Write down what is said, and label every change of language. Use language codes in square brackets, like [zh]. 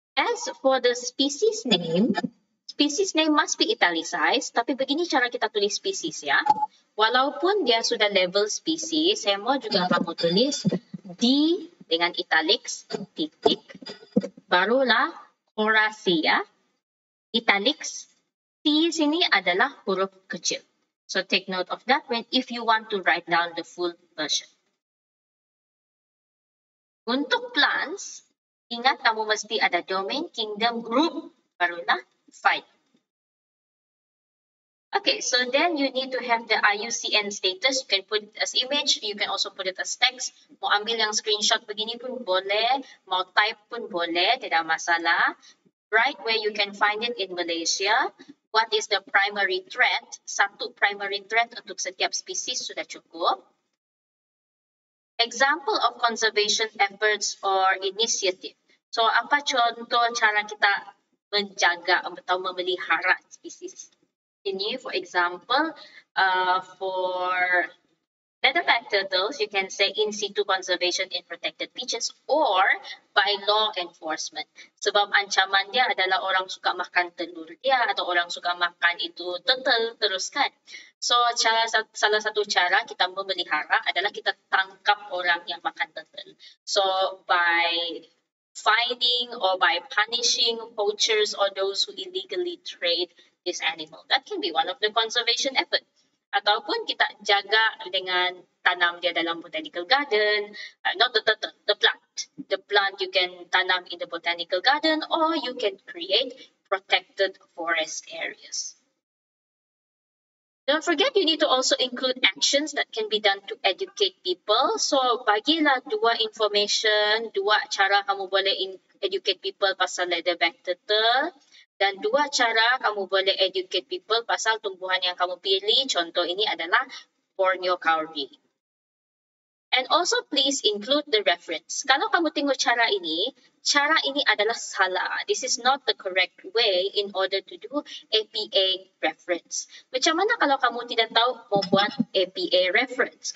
[en] As for the species name, species name must be italicized, [ms] tapi begini cara kita tulis species ya. Walaupun dia sudah label species, saya mau juga kamu tulis D dengan italics, titik, barulah Coracea, italics, T sini adalah huruf kecil. [en] So take note of that when if you want to write down the full version. [ms] Untuk plants, ingat kamu mesti ada domain, kingdom, group, barulah file. [en] Okay, so then you need to have the IUCN status. You can put it as image, you can also put it as text. [ms] Mau ambil yang screenshot begini pun boleh, mau type pun boleh, tidak masalah. [en] Right where you can find it in Malaysia. What is the primary threat? [ms] Satu primary threat untuk setiap species sudah cukup. [en] Example of conservation efforts or initiative. [ms] So, apa contoh cara kita menjaga atau memelihara species? [en] Ini, for example, for leatherback turtles, you can say in situ conservation in protected beaches or by law enforcement. [ms] Sebab ancaman dia adalah orang suka makan telur dia atau orang suka makan itu turtle teruskan. So, salah satu cara kita memelihara adalah kita tangkap orang yang makan turtle. [en] So, by finding or by punishing poachers or those who illegally trade this animal. That can be one of the conservation efforts. [ms] Ataupun kita jaga dengan tanam dia dalam [en] botanical garden, not the plant. The plant you can tanam in the botanical garden or you can create protected forest areas. Don't forget you need to also include actions that can be done to educate people. [ms] So bagilah dua information, dua cara kamu boleh educate people pasal leatherback turtle. Dan dua cara kamu boleh educate people pasal tumbuhan yang kamu pilih, contoh ini adalah Borneo cowrie. [en] And also please include the reference. [ms] Kalau kamu tengok cara ini adalah salah. [en] This is not the correct way in order to do APA reference. [ms] Macam mana kalau kamu tidak tahu mau buat APA reference?